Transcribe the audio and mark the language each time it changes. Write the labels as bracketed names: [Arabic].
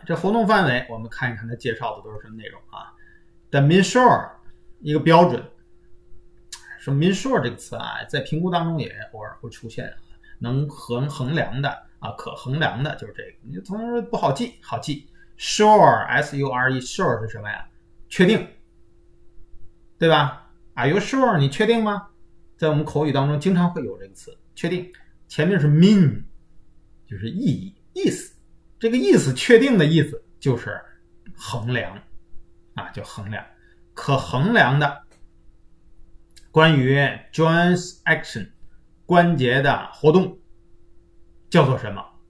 [Chinese] 这活动范围，我们看一看它介绍的都是什么内容啊？The measure 一个标准，说 measure 这个词啊，在评估当中也偶尔会出现，能衡量的啊，可衡量的就是这个。你同时不好记，好记 sure，sure，sure 是什么呀？确定，对吧？ [English] Are you sure？ [Chinese] 你确定吗？在我们口语当中，经常会有这个词“确定”，前面是 mean，就是意义、意思。这个意思，确定的意思就是衡量啊，就衡量，可衡量的关于 [English] joints action [Chinese] 关节的活动叫做什么？